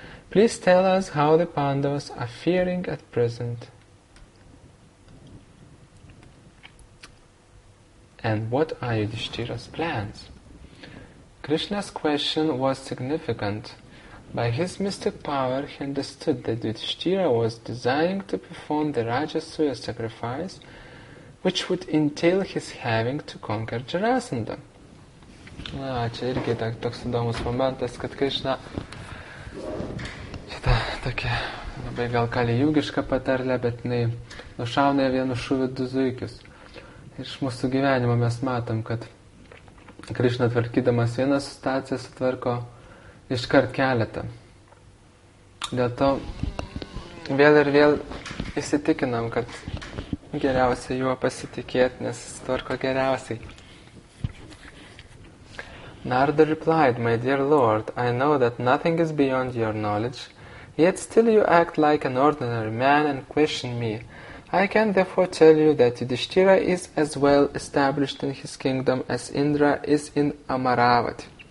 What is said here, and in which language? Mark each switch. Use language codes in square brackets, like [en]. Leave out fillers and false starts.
[en] Please tell us how the Pandavas are faring at present, and what are Yudhishthira's plans? Krishna's question was significant. By his mystic power, he understood that Yudhishthira was designing to perform the Rajasuya sacrifice, which would entail his having to conquer Jarasandha. [lt] Čia irgi toks įdomus momentas, kad Krishna šita tokia labai gal kalijugiška patarlė, bet jis nušauna vienu šūviu du zuikius. Iš mūsų gyvenimo mes matom, kad Krishna tvarkydamas vieną situaciją sutvarko iškart keletą. Dėl to vėl ir vėl įsitikinam, kad geriausia juo pasitikėti, nes jis tvarko geriausiai. [en] Narada replied, My dear Lord, I know that nothing is beyond your knowledge, yet still you act like an ordinary man and question me. I can therefore tell you that Yudhishthira is as well established in his kingdom as Indra is in Amaravati.